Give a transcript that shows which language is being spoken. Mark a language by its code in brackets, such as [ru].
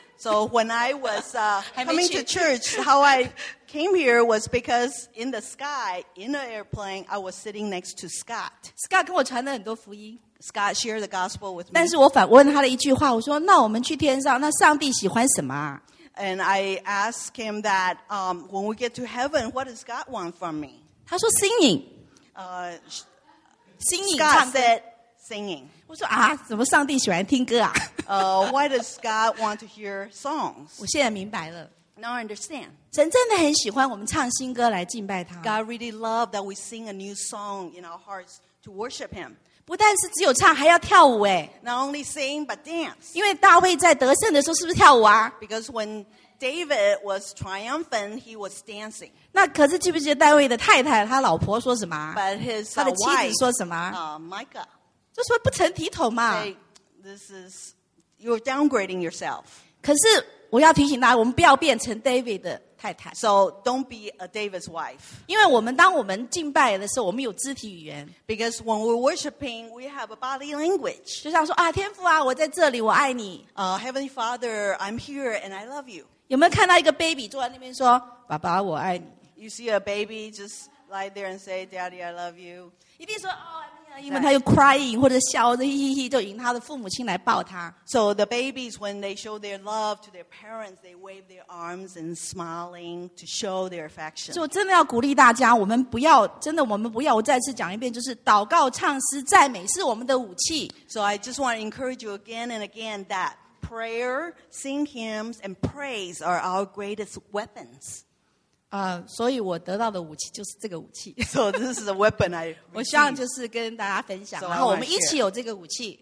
[en] So when I was coming to church, how I came here was because in the sky, in an airplane, I was sitting next to Scott. [zh] Scott跟我传了很多福音。Scott [en] shared the gospel with me. [zh] 但是我反问他的一句话，我说：“那我们去天上，那上帝喜欢什么？” [en] And I asked him that when we get to heaven, what does God want from me? [zh] 他说： [en] “Singing. Singing. Scott said, singing. [zh] 我说：“啊，怎么上帝喜欢听歌啊？” [en] Why does God want to hear songs? [zh] 我现在明白了。 [en] Now I understand. [zh] 神真的很喜欢我们唱新歌来敬拜他。 [en] God really loved that we sing a new song in our hearts to worship him. [zh] 不但是只有唱，还要跳舞诶。 [en] Not only sing, but dance. [zh] 因为大卫在得胜的时候是不是跳舞啊？ [en] Because when David was triumphant, he was dancing. [zh] 那可是记不记得大卫的太太，他老婆说什么？ [en] But his wife, [zh] 他的妻子说什么？ [en] Micah. [zh] 就说不成体统嘛。 [en] This is... You're downgrading yourself. [zh] 可是我要提醒大家，我们不要变成David的太太。 [en] So don't be a David's wife. [zh] 因为我们当我们敬拜的时候，我们有肢体语言。 [en] Because when we're worshiping, we have a body language. [zh] 就像说啊，天父啊，我在这里，我爱你。 [en] Heavenly Father, I'm here and I love you. [zh] 有没有看到一个baby坐在那边说，爸爸，我爱你。 [en] You see a baby just lie there and say, Daddy, I love you. [zh] 一定说哦。因为他又crying或者笑着嘻嘻，就引他的父母亲来抱他。 [en] So the babies, when they show their love to their parents, they wave their arms and smiling to show their affection. [zh] 就真的要鼓励大家，我们不要，真的我们不要，我再次讲一遍，就是祷告、唱诗、赞美是我们的武器。 [en] So I just want to encourage you again and again that prayer, sing hymns, and praise are our greatest weapons. [zh] 所以我得到的武器就是这个武器。 [en] So this is a weapon I [zh] 我希望就是跟大家分享，然后我们一起有这个武器。